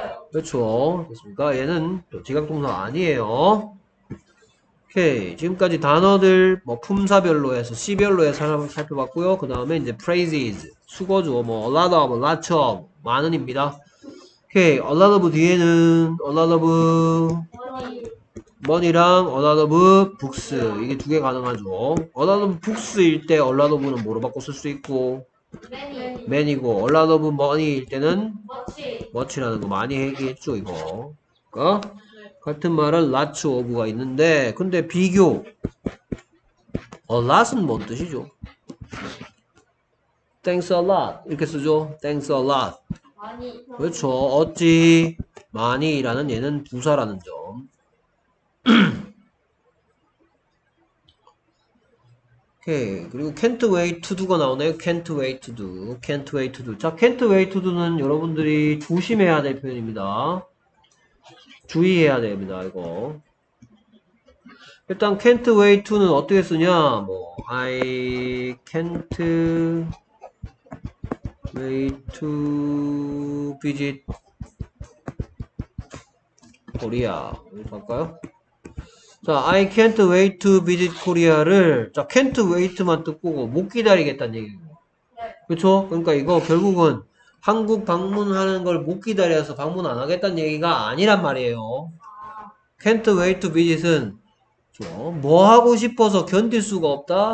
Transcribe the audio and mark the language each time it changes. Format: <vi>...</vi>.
<ko>그렇죠. 그러니까 얘는 또 지각동사 아니에요. 오케이. 지금까지 단어들, 뭐, 품사별로 해서, 시별로 해서 살펴봤고요. 그 다음에 이제 phrases. 수거죠.</ko> <en>뭐, a lot of, lots of,</en> <ko>많은입니다. 오케이.</ko> <en>a lot of</en> <ko>뒤에는</ko> <en>a lot of money랑 a lot of books.</en> <ko>이게 두개 가능하죠. a lot of books일 때 a lot of는 뭐로 바꿔 쓸수 있고, many고, a lot of money일 때는 much라는 거 많이 얘기했죠, 이거. 그러니까 같은 말은 lots of가 있는데, 근데 비교. A lot은 뭔 뜻이죠?</ko> <en>Thanks a lot.</en> <ko>이렇게 쓰죠?</ko> <en>Thanks a lot.</en> <ko>많이 그렇죠. 어찌 많이라는 얘는 부사라는 점. 오케이. 그리고</ko> <en>can't wait to do가 나오네요. Can't wait to do. Can't wait to do. 자, can't wait to do는</en> <ko>여러분들이 조심해야 될 표현입니다. 주의해야 됩니다, 이거. 일단, can't wait to는 어떻게 쓰냐? 뭐,</ko> <en>I can't wait to visit Korea.</en> <ko>이렇게 할까요? 자,</ko> <en>I can't wait to visit Korea</en> <ko>를, 자, can't wait만 뜻하고 못 기다리겠다는 얘기예요. 그쵸? 그러니까 이거 결국은 한국 방문하는 걸못 기다려서 방문 안 하겠다는 얘기가 아니란 말이에요. Can't wait to visit은 뭐 하고 싶어서 견딜 수가 없다?</ko>